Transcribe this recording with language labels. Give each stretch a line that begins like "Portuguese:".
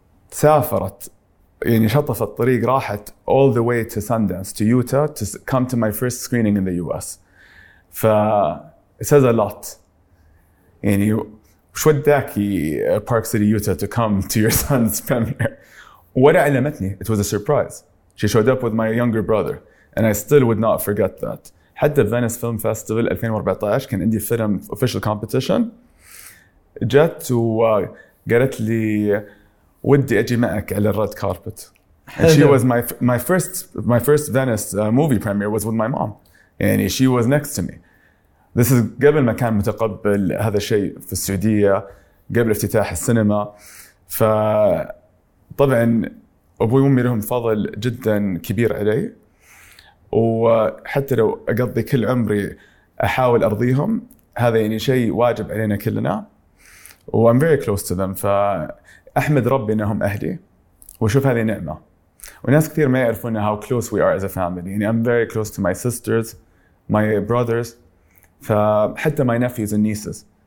Arabic: سافرت يعني شطفت الطريق راحت
English: all the way to Sundance to Utah to come to my first screening in the US ف it says a lot
Arabic: يعني شو بدك
English: Park City Utah to come to your son's premiere
Arabic: ولا علمتني
English: it was a surprise she showed up with my younger brother and I still would not forget that
Arabic: حتى فينيس فيلم فيستيفال 2014 كان عندي فيلم اوفيشال كومبيتيشن، جت وقالت لي ودي اجي معك على الريد كاربت.
English: And she was my first Venice movie premiere was with my mom. يعني she was next to me. This is
Arabic: قبل ما كان متقبل هذا الشيء في السعودية، قبل افتتاح السينما. فطبعا أبوي وأمي لهم فضل جدا كبير علي، وحتى لو أقضي كل عمري أحاول أرضيهم هذا يعني شيء واجب علينا كلنا.
English: و I'm very close to them.
Arabic: فأحمد ربي إنهم أهلي وشوف هذه نعمة. وناس كثير ما يعرفون
English: how close we are as a family. يعني I'm very close to my sisters, my brothers, فحتى my nephews and nieces.